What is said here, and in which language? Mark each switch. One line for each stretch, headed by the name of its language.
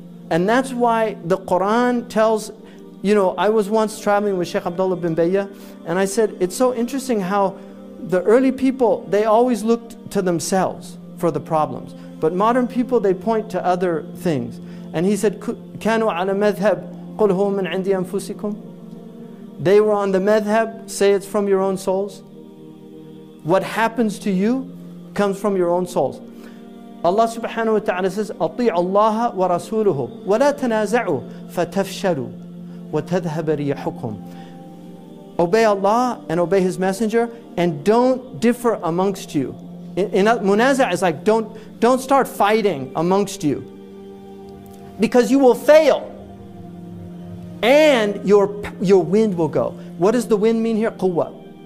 English: And that's why the Quran tells, you know, I was once traveling with Shaykh Abdullah bin Bayya, and I said, it's so interesting how the early people, they always looked to themselves for the problems. But modern people, they point to other things. And he said,
Arabic: كانوا على مذهب قل هو من عند أنفسكم.
English: They were on the madhab, say it's from your own souls. What happens to you comes from your own souls. Allah subhanahu wa ta'ala says,
Arabic: أطيعوا الله ورسوله ولا تنازعوا فتفشلوا وتذهب ريحكم.
English: Obey Allah and obey His Messenger and don't differ amongst you. In munaza is like don't start fighting amongst you, because you will fail and your wind will go. What does the wind mean here? Quwwa.